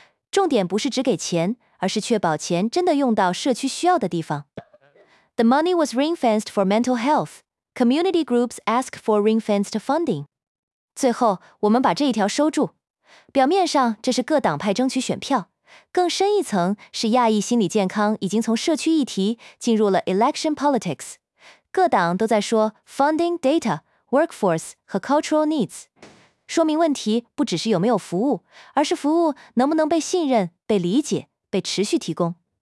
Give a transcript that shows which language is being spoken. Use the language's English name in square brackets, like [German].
[Chinese] 重点不是只给钱，而是确保钱真的用到社区需要的地方。 [English] The money was ring-fenced for mental health. Community groups ask for ring-fenced funding. [Chinese] 最后，我们把这一条收住。表面上，这是各党派争取选票。更深一层是亚裔心理健康已经从社区议题进入了 election politics， 各党都在说 funding data workforce 和 cultural needs， 说明问题不只是有没有服务，而是服务能不能被信任、被理解、被持续提供。